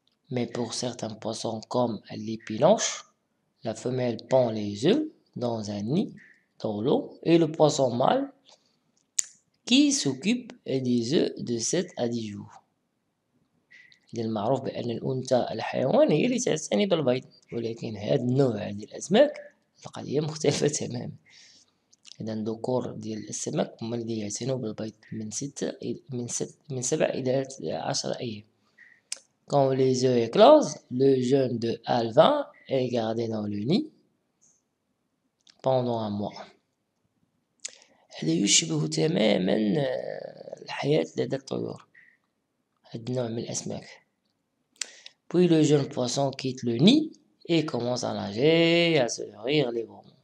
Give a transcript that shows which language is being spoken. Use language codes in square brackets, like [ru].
[fr] Mais pour certains poissons comme l'épinoche, la femelle pond les œufs dans un nid dans l'eau et le poisson mâle qui s'occupe des œufs de 7 à 10 jours. [ar] المعروف بان الانثى الحيوان هي اللي تعتني بالبيض، ولكن هذا النوع ديال الاسماك القضيه مختلفه تماما. إذا الذكور ديال السمك هما اللي يعتنوا بالبيض من ستة من ست من 7 إلى 10 أيام. Quand les œufs éclosent, le jeune de alvin est gardé dans le nid pendant un mois. هذا يشبه تماما الحياة لدى الطيور، هذا النوع من الأسماك. [fr] Puis le jeune poisson quitte le nid et commence à nager et à se nourrir librement.